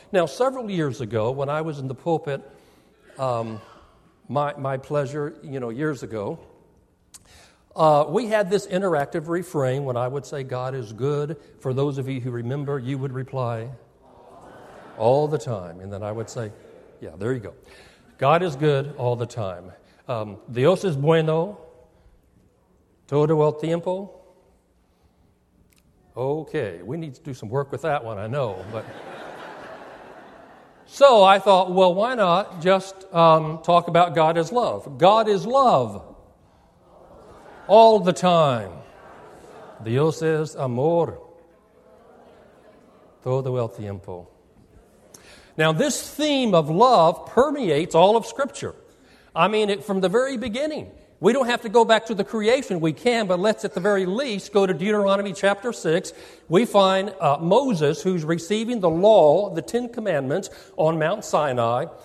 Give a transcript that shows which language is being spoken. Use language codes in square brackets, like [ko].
[en] Now, several years ago when I was in the pulpit, my pleasure, you know, years ago, we had this interactive refrain when I would say, God is good. For those of you who remember, you would reply, all the time. And then I would say, yeah, there you go. God is good all the time. [es] Dios es bueno todo el tiempo. [en] Okay, we need to do some work with that one, I know. But so I thought, well, why not just talk about God as love? God is love all the time. [es] Dios es amor todo el tiempo. [en] Now, this theme of love permeates all of Scripture. I mean, from the very beginning. We don't have to go back to the creation. We can, but let's at the very least go to Deuteronomy chapter 6. We find Moses, who's receiving the law, the Ten Commandments, on Mount Sinai.